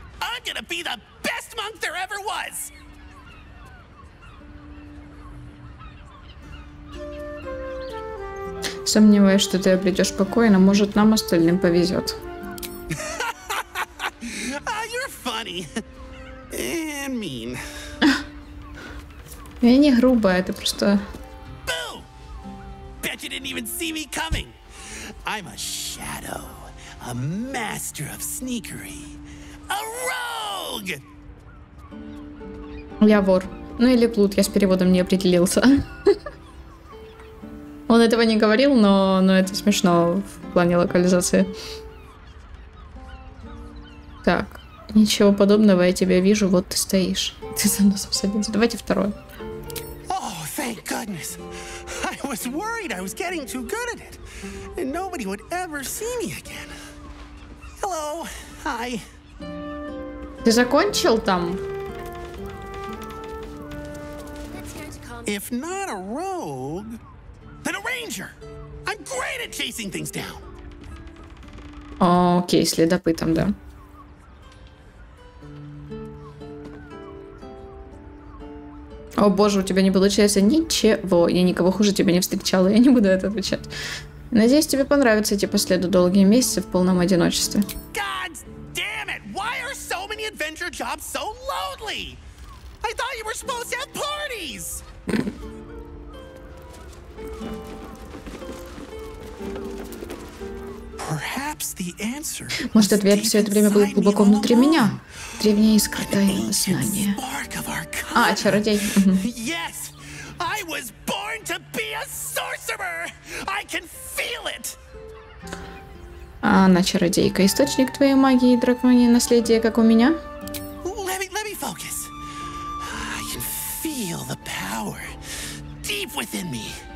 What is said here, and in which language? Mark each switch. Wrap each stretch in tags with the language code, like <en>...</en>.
<en>I'm gonna be the best monk there ever was!</en> <ru>Сомневаюсь, что ты обретешь покой, но может нам остальным повезет.</ru> <en>You're funny. And mean.</en> <ru>Я не грубая, это просто...</ru> <en>You didn't even see me coming. I'm a shadow, a master of sneakery, a rogue.</en> <ru>Я вор. Ну или плут, я с переводом не определился. Он этого не говорил, но это смешно в плане локализации. Так, ничего подобного, я тебя вижу, вот ты стоишь. Ты за носом садился. Давайте второй.</ru> <en>Oh, thank goodness. I was worried I was getting too good at it, and nobody would ever see me again. Hello, hi.</en> <ru>Ты закончил там?</ru> <en>If not a rogue, then a ranger. I'm great at chasing things down.</en> <ru>Окей, следопытом, да. О боже, у тебя не получается ничего. Я никого хуже тебя не встречала, я не буду это отвечать. Надеюсь, тебе понравится идти по следу долгие месяцы в полном одиночестве.</ru> <en>God damn it! Why are so many adventure jobs so lonely? I thought you were supposed to have parties! Perhaps the answer.</en> <ru>Может, ответ все это время был глубоко внутри меня? Древнее и скрытое знание. А, чародей.</ru> <en>Yes, I was born to be a sorcerer. I can feel it.</en> <ru>А, на чародейка. Источник твоей магии, драконье наследие, как у меня?</ru> <en>Let me focus. I can feel the power deep within me.</en>